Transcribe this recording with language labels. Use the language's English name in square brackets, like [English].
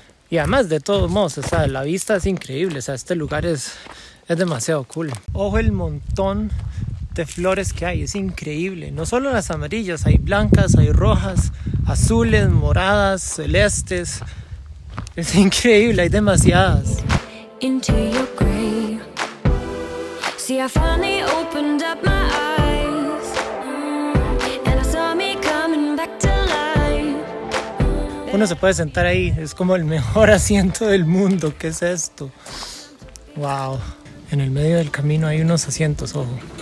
[Spanish] Y además, de todos modos, o sea, la vista es increíble. O sea, este lugar es demasiado cool. Ojo el montón de flores que hay, es increíble. No solo las amarillas, hay blancas, hay rojas, azules, moradas, celestes. Es increíble, hay demasiadas. [English] Into your grave. See, I finally opened up my eyes. And I saw me coming back to life. [Spanish] Uno se puede sentar ahí, es como el mejor asiento del mundo. ¿Qué es esto? Wow. En el medio del camino hay unos asientos, ojo.